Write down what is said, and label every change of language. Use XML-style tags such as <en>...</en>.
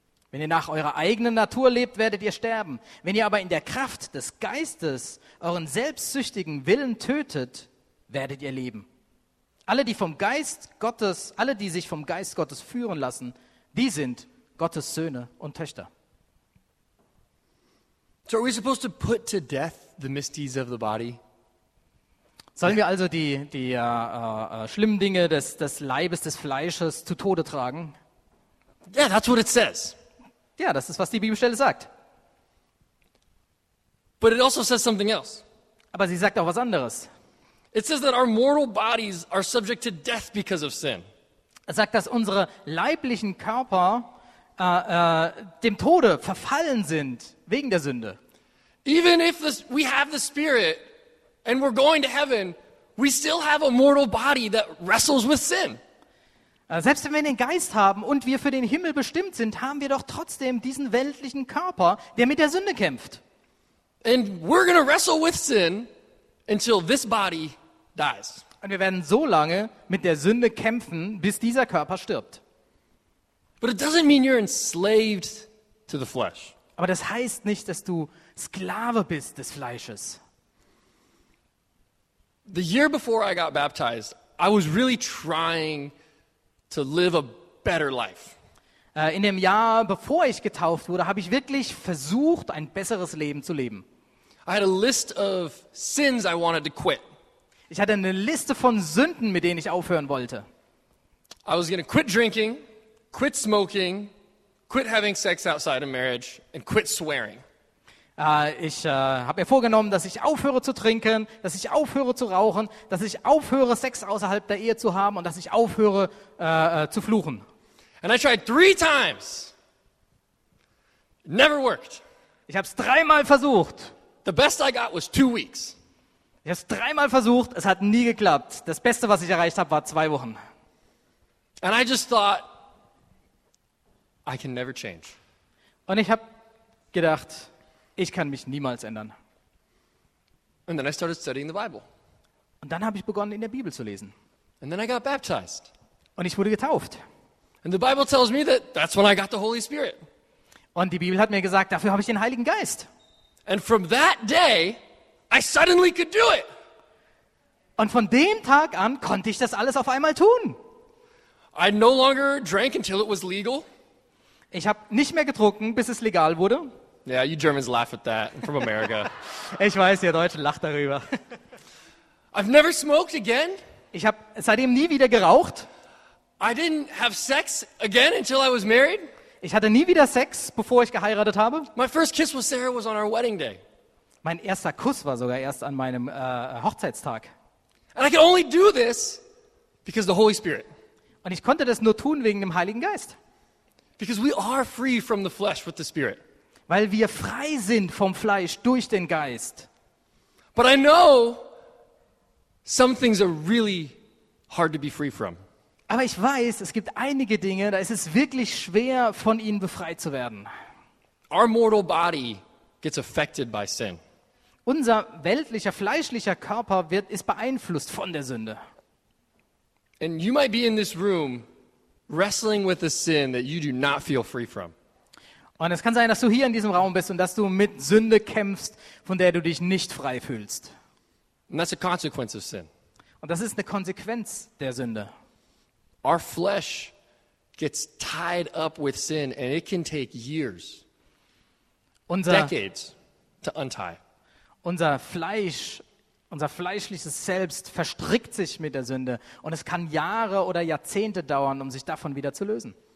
<de>Wenn ihr nach eurer eigenen Natur lebt, werdet ihr sterben. Wenn ihr aber in der Kraft des Geistes euren selbstsüchtigen Willen tötet, werdet ihr leben. Alle, die sich vom Geist Gottes führen lassen, die sind Gottes Söhne und Töchter.</de> <en>So are we supposed to put to death the misdeeds of the body?</en> <de>Sollen wir also die schlimmen Dinge des Leibes, des Fleisches zu Tode tragen?</de> <en>Yeah, that's what it says.</en> <de>Ja, das ist, was die Bibelstelle sagt.</de> <en>But it also says something else.</en> <de>Aber sie sagt auch was anderes.</de> <en>It says that our mortal bodies are subject to death because of sin.</en> <de>Er sagt, dass unsere leiblichen Körper dem Tode verfallen sind wegen der Sünde.</de> <en>Even if we have the Spirit and we're going to heaven, we still have a mortal body that wrestles with sin.</en> <de>Selbst wenn wir den Geist haben und wir für den Himmel bestimmt sind, haben wir doch trotzdem diesen weltlichen Körper, der mit der Sünde kämpft.</de> <en>And we're gonna wrestle with sin until this body dies.</en> <de>Und wir werden so lange mit der Sünde kämpfen, bis dieser Körper stirbt.</de> <en>But it doesn't mean you're enslaved to the flesh.</en> <de>Aber das heißt nicht, dass du Sklave bist des Fleisches.</de> <en>The year before I got baptized, I was really trying to live a better life.</en> <de>In dem Jahr, bevor ich getauft wurde, habe ich wirklich versucht, ein besseres Leben zu leben.</de> <en>I had a list of sins I wanted to quit.</en> <de>Ich hatte eine Liste von Sünden, mit denen ich aufhören wollte.</de> <en>I was going to quit drinking, quit smoking, quit having sex outside of marriage, and quit swearing.</en> <de>Ich habe mir vorgenommen, dass ich aufhöre zu trinken, dass ich aufhöre zu rauchen, dass ich aufhöre, Sex außerhalb der Ehe zu haben und dass ich aufhöre, zu fluchen.</de> <en>And I tried 3 times. Never worked.</en> <de>Ich habe es 3 versucht.</de> <en>The best I got was 2 weeks.</en> <de>Ich habe es 3 versucht, es hat nie geklappt. Das Beste, was ich erreicht habe, war 2 Wochen.</de> <en>And I just thought, I can never change.</en> <de>Und ich habe gedacht, ich kann mich niemals ändern.</de> <en>And then I started studying the Bible.</en> <de>Und dann habe ich begonnen, in der Bibel zu lesen.</de> <en>And then I got baptized.</en> <de>Und ich wurde getauft.</de> <en>And the Bible tells me that that's when I got the Holy Spirit.</en> <de>Und die Bibel hat mir gesagt, dafür habe ich den Heiligen Geist.</de> <en>And from that day, I suddenly could do it.</en> <de>Und von dem Tag an konnte ich das alles auf einmal tun.</de> <en>I no longer drank until it was legal.</en> <de>Ich habe nicht mehr getrunken, bis es legal wurde.</de> <en>Yeah, you Germans laugh at that. I'm from America.</en> <de>Ich weiß, ihr Deutschen lacht darüber.</de> <en>I've never smoked again.</en> <de>Ich habe seitdem nie wieder geraucht.</de> <en>I didn't have sex again until I was married.</en> <de>Ich hatte nie wieder Sex, bevor ich geheiratet habe.</de> <en>My first kiss with Sarah was on our wedding day.</en> <de>Mein erster Kuss war sogar erst an meinem Hochzeitstag.</de> <en>And I could only do this because the Holy Spirit.</en> <de>Und ich konnte das nur tun wegen dem Heiligen Geist.</de> <en>Because we are free from the flesh with the Spirit.</en> <de>Weil wir frei sind vom Fleisch durch den Geist.</de> <en>But I know some things are really hard to be free from.</en> <de>Aber ich weiß, es gibt einige Dinge, da ist es wirklich schwer, von ihnen befreit zu werden.</de> <en>Our mortal body gets affected by sin.</en> <de>Unser weltlicher, fleischlicher Körper ist beeinflusst von der Sünde.</de> <en>And you might be in this room wrestling with a sin that you do not feel free from.</en> <de>Und es kann sein, dass du hier in diesem Raum bist und dass du mit Sünde kämpfst, von der du dich nicht frei fühlst.</de> <en>And that's a consequence of sin.</en> <de>Und das ist eine Konsequenz der Sünde.</de> <en>Our flesh gets tied up with sin and it can take years. Decades to untie.</en> <de>Unser fleischliches Selbst verstrickt sich mit der Sünde und es kann Jahre oder Jahrzehnte dauern, um sich davon wieder zu lösen.</de>